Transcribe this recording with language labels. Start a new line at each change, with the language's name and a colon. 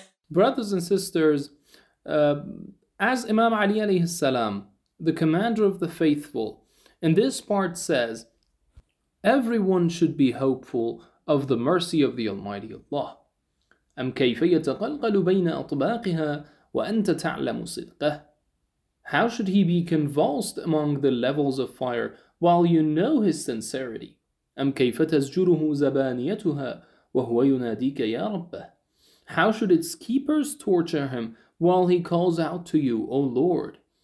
English: Brothers and sisters, as Imam Ali alayhi salam, the commander of the faithful, in this part says, everyone should be hopeful of the mercy of the Almighty Allah.
Arabic: أم كيف يتقلقل بين أطباقها وأنت تعلم صدقه.
English: How should he be convulsed among the levels of fire while you know his sincerity?
Arabic: أَمْ كَيْفَ تَزْجُرُهُ زَبَانِيَتُهَا وَهُوَ يُنَادِيكَ يَا رَبَّهُ
English: How should its keepers torture him while he calls out to you, O Lord?